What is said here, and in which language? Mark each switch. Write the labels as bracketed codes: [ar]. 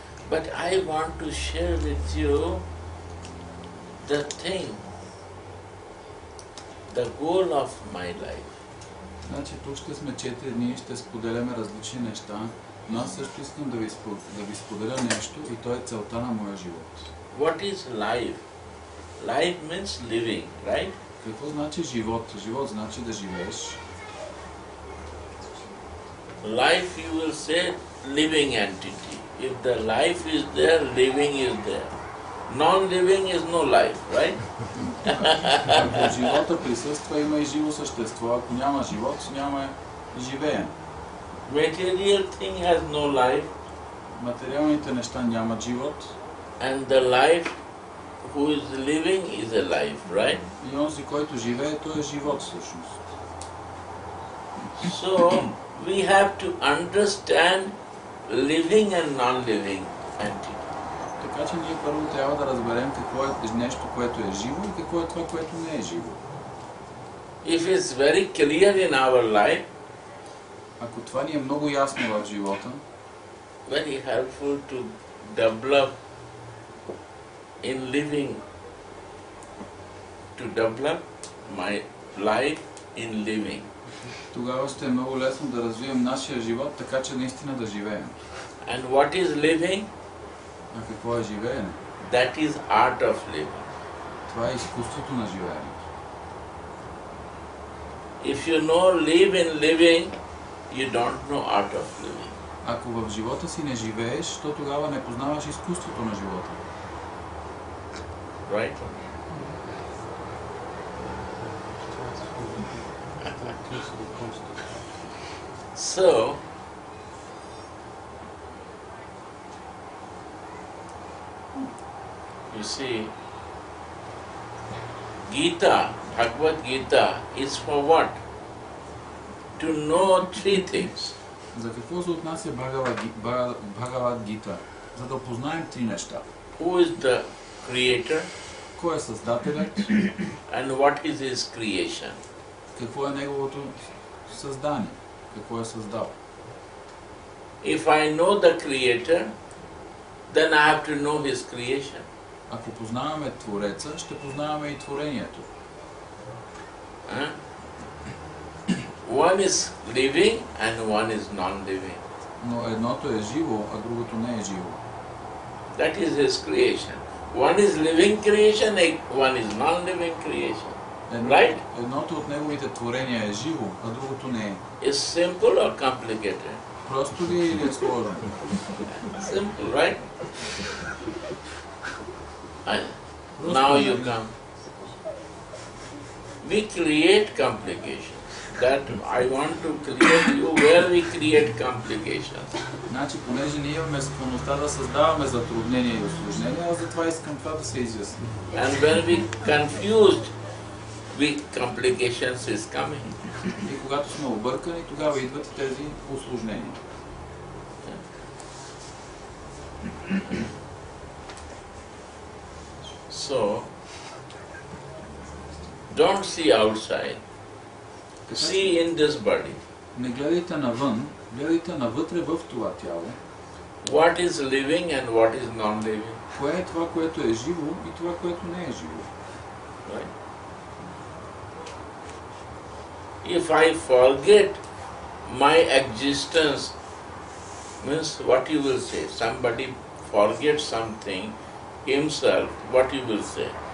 [en] But I want to share with you the thing, the goal of my life. [bg] Значи тук ще сме четири, ние ще споделяме различни неща, но аз също искам да ви споделя нещо и то е целта на моя живот. [en] What is life? Life means living, right? [bg] Какво значи живот? Живот значи да живееш. [en] Life, you will say, living entity. If the life is there, living is there. Non-living is no life, right? [bg] Ако живота присъства, има и живо същество. Ако няма живот, няма живеен. [en] Material thing has no life. [bg] Материалните неща нямат живот. [en] And the life who is living is a life, right? [bg] И онзи, който живее, той е живот всъщност. [en] So, we have to understand living and non-living entity. [bg] Така че ние първо трябва да разберем какво е нещо, което е живо и какво е това, което не е живо. [en] If it's very clear in our life, [bg] ако това ни е много ясно в живота, [en] very helpful to develop in living, to develop my life in living. [bg] Тогава ще е много лесно да развием нашия живот, така че наистина да живеем. [en] And what is living? [bg] А какво е живеене? [en] That is art of living. [bg] Това е изкуството на живеенето. [en] If you know live in living, you don't know art of living. [bg] Ако в живота си не живееш, то тогава не познаваш изкуството на живота. [en] Right? So, you see, Gita, Bhagavad Gita, is for what? To know three things. [bg] За какво се отнася Бхагавад Гита? За да познаем три неща. [en] Who is the creator? [bg] Кой е създателят? [en] And what is his creation? [bg] Какво е неговото създание? Какво е създал? [en] If I know the creator, then I have to know his creation. [bg] Ако познаваме Твореца, ще познаваме и творението. [en] One is living and one is non-living. [bg] Но едното е живо, а другото не е живо. [en] That is his creation. One is living creation, one is non-living creation. Right? [bg] Едното от неговите творения е живо, а другото не е. [en] Is simple or complicated? [bg] Просто ли или е сложно? [en] Simple, right? Now you come. We create complications. That I want to clear you where we create complications. [bg] Значи, понеже ние имаме склонността да създаваме затруднения и усложнения, аз затова искам това да се изясни. [en] And when we confused, we complications is coming. [bg] И когато сме объркани, тогава идват и тези усложнения. [en] So, don't see outside. See in this body. [bg] Не гледайте навън, гледайте навътре в това тяло. [en] What is living and what is non-living? [bg] Кое е това, което е живо и това, което не е живо? [en] Right. If I forget my existence, means what you will say? Somebody forgets something, himself, what you will say?